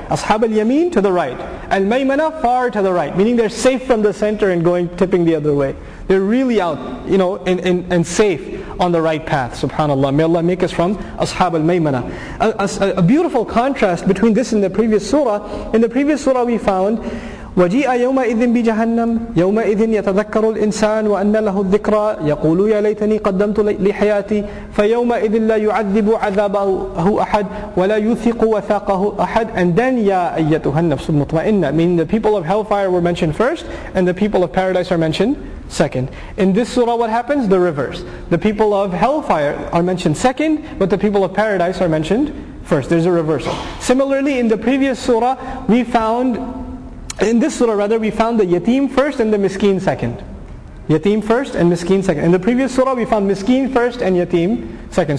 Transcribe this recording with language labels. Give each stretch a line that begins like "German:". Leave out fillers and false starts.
English: Ashab al-yameen to the right. Al-maymana far to the right. Meaning they're safe from the center and going tipping the other way. They're really out, you know, and safe on the right path. SubhanAllah. May Allah make us from Ashab al-maymana. A beautiful contrast between this and the previous surah. In the previous surah we found,
Arabic: وَجِيءَ يَوْمَئِذٍ بِجَهَنَّمَ يَوْمَئِذٍ يَتَذَكَّرُ الْإِنسَانُ وَأَنَّ لَهُ الذِّكْرَى يَقُولُ يَا لَيْتَنِي قَدَّمْتُ لِحَيَاتِي فَيَوْمَئِذٍ لَا يُعَذِّبُ عَذَابَهُ أَحَدٌ وَلَا يُثِقُ وَثَاقَهُ أَحَدٌ
English: And then
Arabic: يَا أَيَّتُهَا النَّفْسُ الْمُطْمَئِنَّةُ
English: Meaning the people of hellfire were mentioned first and the people of paradise are mentioned second. In this surah what happens? The reverse. The people of hellfire are mentioned second but the people of paradise are mentioned first. There's a reversal. Similarly in the previous surah we found In this surah rather, we found the yateem first and the miskeen second. Yateem first and miskeen second. In the previous surah, we found miskeen first and yateem second.